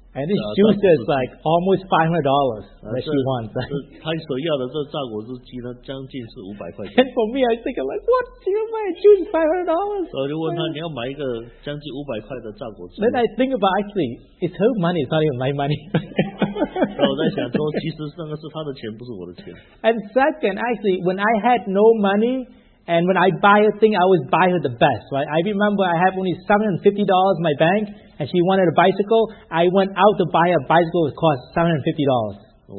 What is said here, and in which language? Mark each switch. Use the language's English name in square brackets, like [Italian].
[English] And this juice is like almost $500 that she wants. [Chinese] 他所要的这榨果汁机呢，将近是500块钱。 [English] And for me, I think I'm like, what? You buy a juice $500? [Chinese] 我就问他，你要买一个将近500块的榨果汁。 [English] Then I think about actually, it's her money, it's not even my money. [Chinese] 我在想说，其实那个是他的钱，不是我的钱。 [English] And second, actually, when I had no money. And when I buy her thing, I always buy her the best, right? I remember I have only $750 in my bank, and she wanted a bicycle. I went out to buy a bicycle that cost $750.